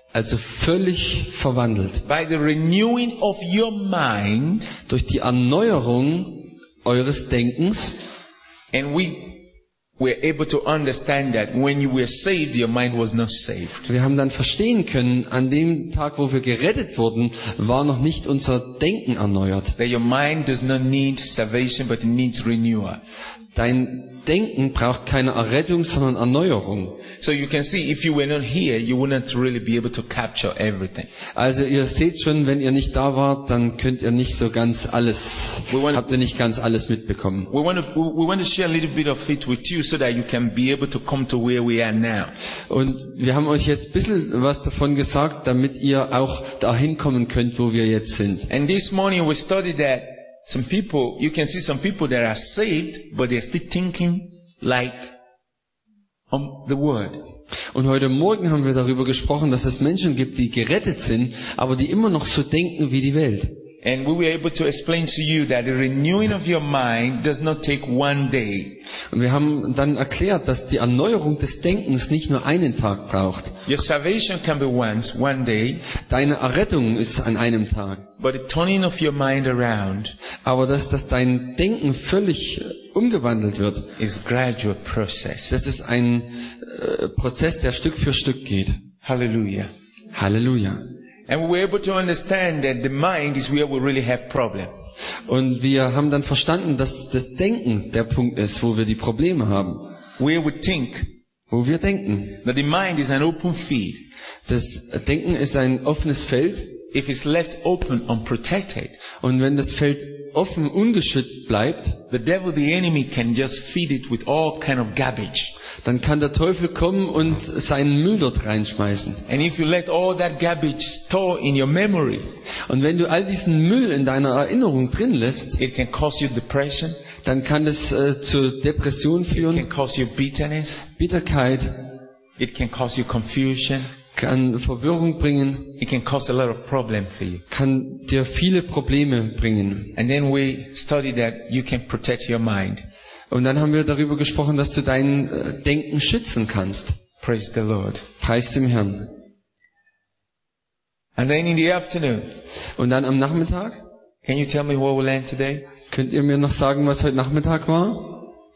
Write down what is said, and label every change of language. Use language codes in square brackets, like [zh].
[de] Also völlig verwandelt. [en] By the renewing of your mind. [de] Durch die Erneuerung eures Denkens. [en] And we're able to understand that when you were saved, your mind was not saved. [de] Wir haben dann verstehen können, an dem Tag, wo wir gerettet wurden, war noch nicht unser Denken erneuert. [en] That your mind does not need salvation, but it needs renewal. [de] Dein Denken braucht keine Errettung, sondern Erneuerung. [en] So you can see, if you were not here, you wouldn't really be able to capture everything. [de] Also ihr seht schon, wenn ihr nicht da wart, dann könnt ihr nicht so ganz alles, habt ihr nicht ganz alles mitbekommen. [en] We want to share a little bit of it with you, so that you can be able to come to where we are now. [de] Und wir haben euch jetzt ein bisschen was davon gesagt, damit ihr auch dahin kommen könnt, wo wir jetzt sind. [en] And this morning we studied that. Some people, you can see some people that are saved, but they're still thinking like on the word. [de] Und heute Morgen haben wir darüber gesprochen, dass es Menschen gibt, die gerettet sind, aber die immer noch so denken wie die Welt. [en] And we were able to explain to you that the renewing of your mind does not take one day. [de] Und wir haben dann erklärt, dass die Erneuerung des Denkens nicht nur einen Tag braucht. [en] Your salvation can be once, one day. [de] Deine Errettung ist an einem Tag. [en] But the turning of your mind around. [de] Aber dass dein Denken völlig umgewandelt wird. [en] Is gradual process. [de] Das ist ein Prozess, der Stück für Stück geht. [en] Hallelujah. [de] Hallelujah. [en] And we're able to understand that the mind is where we really have problem. [de] Und wir haben dann verstanden, dass das Denken der Punkt ist, wo wir die Probleme haben. [en] Where we think. [de] Wo wir denken. [en] That the mind is an open field. [de] Das Denken ist ein offenes Feld. [en] If it's left open unprotected. [de] Und wenn das Feld offen ungeschützt bleibt, [en] the devil, the enemy can just feed it with all kind of garbage. [de] Dann kann der Teufel kommen und seinen Müll dort reinschmeißen. [en] And if you let all that garbage store in your memory, [de] und wenn du all diesen Müll in deiner Erinnerung drin lässt, [en] it can cause you depression. [de] Dann kann das zu Depression führen. [en] It can cause you bitterness. [de] Bitterkeit. [en] It can cause you confusion. [de] Kann Verwirrung bringen. [en] It can cause a lot of problem for you. [de] Kann dir viele Probleme bringen. [en] And then we study that you can protect your mind. [de] Und dann haben wir darüber gesprochen, dass du dein Denken schützen kannst. [en] Praise the Lord. [de] Preis dem Herrn. [en] And then in the afternoon. [de] Und dann am Nachmittag. [en] Can you tell me what we learned today? [de] Könnt ihr mir noch sagen, was heute Nachmittag war?